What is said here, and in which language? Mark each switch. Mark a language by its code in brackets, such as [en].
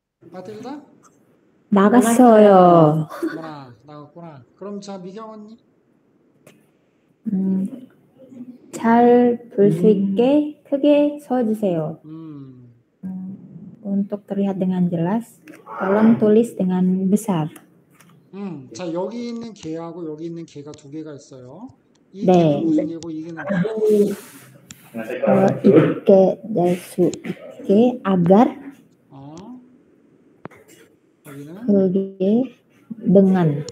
[ko] 마틸다? 나갔어요. 뭐라 나갔구나. 그럼 자, 미경 언니. 잘 볼 수 있게 크게 써주세요. [id] Untuk terlihat dengan jelas, tolong tulis dengan besar. [ko] 자 여기 있는 개하고 여기 있는 개가 두 개가 있어요. 이 네. 개고 이게 나. 이렇게 낼 수 있게 agar. 그게 dengan.